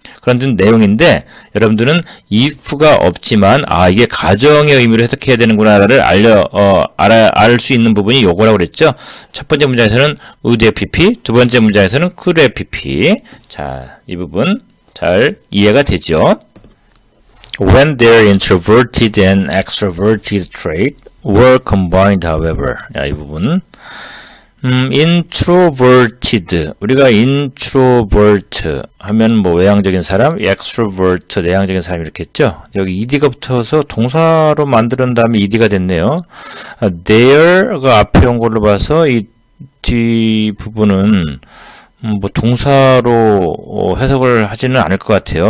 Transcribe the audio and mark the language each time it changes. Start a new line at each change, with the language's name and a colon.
Korean: 그런 내용인데 여러분들은 if가 없지만 아 이게 가정의 의미로 해석해야 되는구나를 알 수 있는 부분이 요거라고 그랬죠. 첫 번째 문장에서는
English: would pp,
Korean: 두 번째 문장에서는
English: could pp.
Korean: 자, 이 부분 잘 이해가 되죠.
English: When their introverted and extroverted traits were combined, however,
Korean: 야, 이 부분. introverted 우리가 introvert 하면 뭐 외향적인 사람, extrovert 내향적인 사람 이렇게 했죠. 여기 ed가 붙어서 동사로 만든 다음에 ed가 됐네요. there가 앞에 온 걸로 봐서 이 뒷부분은 뭐 동사로 해석을 하지는 않을 것 같아요.